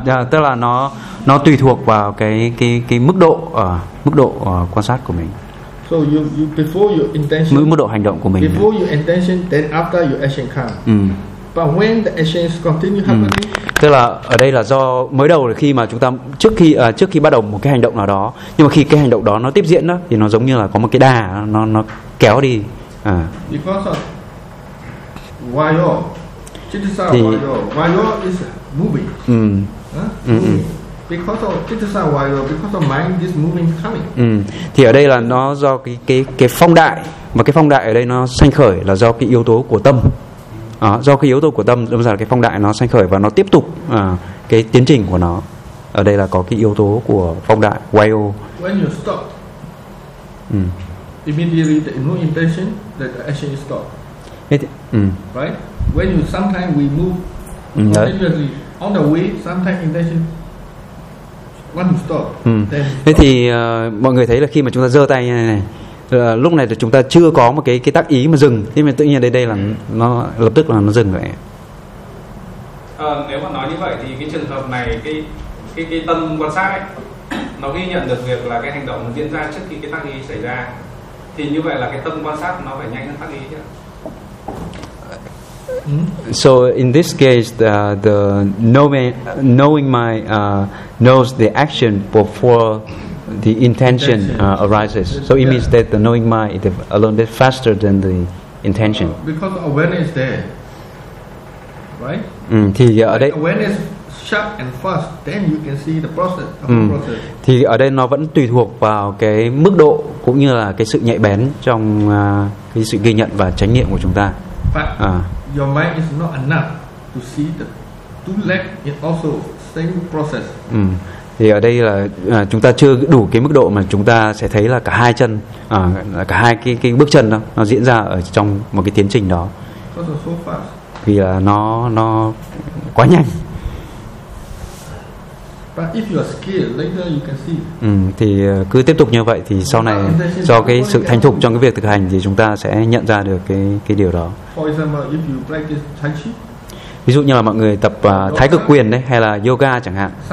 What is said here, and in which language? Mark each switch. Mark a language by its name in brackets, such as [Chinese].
[Vietnamese] Tức là nó tùy thuộc vào cái mức độ quan sát của mình. [English] So you before your intention. [Vietnamese] Mức độ hành động của mình. [English] Before your intention, then after your action comes. But when the action is continue happening. [Vietnamese] Tức là ở đây là do mới đầu là khi mà chúng ta trước khi bắt đầu một cái hành động nào đó, nhưng mà khi cái hành động đó nó tiếp diễn đó thì nó giống như là có một cái đà nó kéo đi. [English] Because of vayo, chitasa vayo is moving. Because of chitasa vayo, because of mind is moving coming. [Vietnamese] Thì ở đây là nó do cái phong đại, mà cái phong đại ở đây nó sanh khởi là do cái yếu tố của tâm. Do cái yếu tố của tâm, đâm ra là cái phong đại nó sanh khởi và nó tiếp tục cái tiến trình của nó. Ở đây là có cái yếu tố của phong đại, wayo. [English] When you stop, immediately there is no intention that the action is stopped. Right? When you sometimes we move continuously on the way, sometimes intention. When you stop, [Vietnamese] Thế thì mọi người thấy là khi mà chúng ta giơ tay như này. Lúc này thì chúng ta chưa có một cái tác ý mà dừng, thế mà tự nhiên đây là nó lập tức là nó dừng vậy. Nếu mà nói như vậy thì cái trường hợp này cái tâm quan sát ấy, nó ghi nhận được việc là cái hành động diễn ra trước khi cái tác ý xảy ra, thì như vậy là cái tâm quan sát nó phải nhanh hơn tác ý chứ. [English] So in this case the knowing my knows the action before the intention arises. So it means that the knowing mind is a little bit faster than the intention. Because awareness is there. Right? [Vietnamese] Thì ở đây [English] awareness sharp and fast, then you can see the process. [Vietnamese] Thì ở đây nó vẫn tùy thuộc vào cái mức độ cũng như là cái sự nhạy bén trong cái sự ghi nhận và chánh niệm của chúng ta. [English] But your mind is not enough to see the two legs, it also same process. Ừ. [Vietnamese] Thì ở đây là chúng ta chưa đủ cái mức độ mà chúng ta sẽ thấy là cả hai chân, cả hai cái bước chân đó nó diễn ra ở trong một cái tiến trình đó. Vì là nó quá nhanh. [English] But if you are skilled, later you can see. [Vietnamese] Ừ, thì cứ tiếp tục như vậy thì sau này do cái sự thành thục trong cái việc thực hành thì chúng ta sẽ nhận ra được cái điều đó. [English] For example, if you practice Tai Chi. [Vietnamese] Ví dụ như là mọi người tập thái cực quyền đấy, hay là yoga chẳng hạn.